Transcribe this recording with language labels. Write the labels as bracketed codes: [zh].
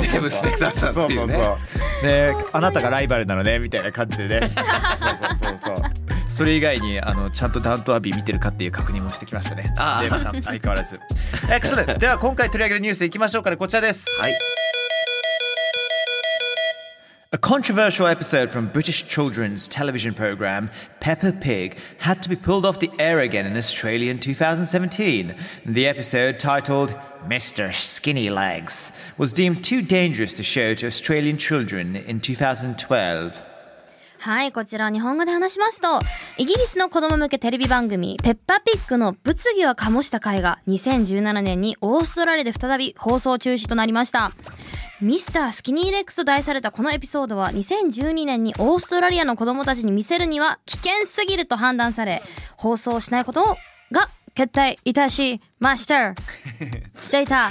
[ja] デーブ・スペクターさんっていうね、そうそうそう、あなたがライバルなのねみたいな感じでねそうそうそうそう、それ以外にちゃんとダントアビー見てるかっていう確認もしてきましたね、デーブさん相変わらずエクセレント。では今回取り上げるニュースいきましょうかね、こちらです、はい、 [en] A controversial episode from British children's television program Peppa Pig had to be pulled off the air again in Australia in 2017. The episode, titled Mr. Skinny Legs, was deemed too dangerous to show to Australian children in 2012. [ja] はい、こちら日本語で話しますと、イギリスの子供向けテレビ番組ペッパピックの物議を醸した回が2017年にオーストラリアで再び放送中止となりました。ミスタースキニーレックスと題されたこのエピソードは2012年にオーストラリアの子供たちに見せるには危険すぎると判断され、放送しないことが決定いたしましたしていた。